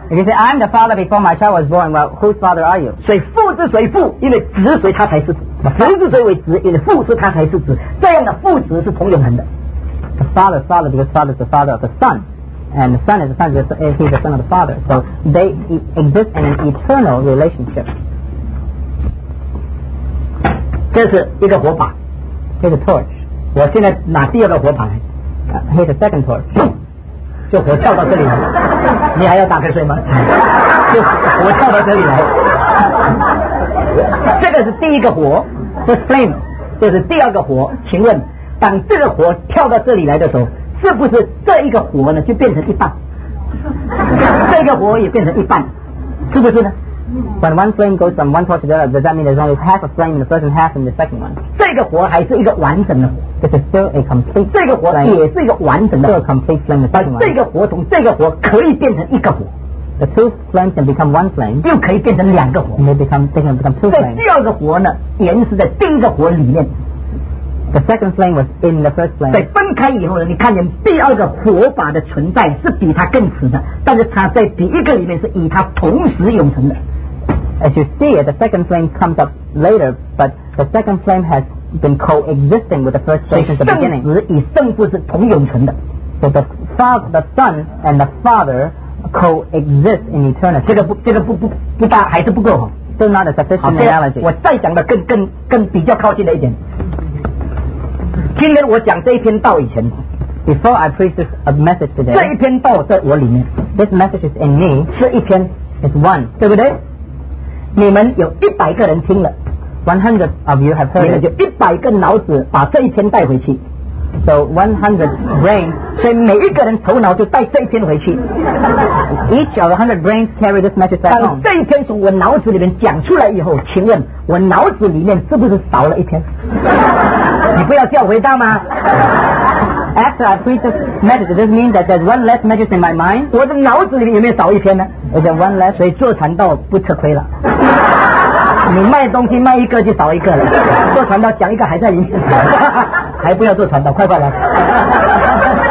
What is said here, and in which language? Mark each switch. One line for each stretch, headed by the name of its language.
English: If you say I'm the father before my child was born, well, whose father are you?
Chinese: 所以父之所以父，因为子所以他才是子。子之所以为子，因为父是他才是子。这样的父子是同永恒的。
English: The father is father because father is the father of the son, and the son is the son because he is the son of the father. So they exist in an eternal relationship.
Chinese: 这是一个火把。
English: Here's a torch.
Chinese: 我现在拿第二个火把来。
English: Here's a second torch.
Chinese: 就火跳到这里来，你还要打开水吗？就火跳到这里来，这个是第一个火
English: ，the flame，
Chinese: 这是第二个火。请问，当这个火跳到这里来的时候，是不是这一个火呢就变成一半，这个火也变成一半，是不是呢
English: ？When one flame goes from one torch to the other, does that mean there's only half a flame in the first and half in the second one？
Chinese: 这个火还是一个完整的火。
English: This is still a complete.
Chinese: 这个火也是一个完整的。
English: Still a complete flame.
Chinese: 这个火从这个火可以变成一个火。
English: The two flames can become one flame.
Chinese: 又可以变成两个火。
English: May become, they can become two flames.
Chinese: 这第二个火呢，延续在第一个火里面。
English: The second flame was in the first flame.
Chinese: 对，分开以后呢，你看见第二个火把的存在是比它更迟的，但是它在第一个里面是与它同时永存的。
English: As you see it, the second flame comes up later, but the second flame has. Been coexisting with the first flame since the beginning.
Chinese: 圣子与圣父是同永存的。
English: So the father, the son, and the father coexist in eternity.
Chinese: 这个不大，还是不够。
English: Still not a sufficient analogy.
Chinese: 我再讲的更比较靠近的一点。今天我讲这一篇道以前
English: ，Before I preach this a message today.
Chinese: 这一篇道在我里面。
English: This message is in me.
Chinese: 是一篇
English: ，is one，
Chinese: 对不对？你们有一百个人听了。
English: 100 of you have heard.
Chinese: 你们就一百个脑子把这一篇带回去。
English: So 100 brains.
Chinese: 所以每一个人头脑就带这一篇回去。
English: Each of 100 brains carry this message back home.
Chinese: 当这一篇从我脑子里面讲出来以后，请问我脑子里面是不是少了一篇？你不要叫回答吗？
English: After I preach this message, does this mean that there's one less message in my mind?
Chinese: 我的脑子里面有没有少一篇呢
English: ？Is there one less?
Chinese: 所以坐禅道不吃亏了。你卖东西卖一个就少一个了，做传道讲一个还在里面，还不要做传道，快快来。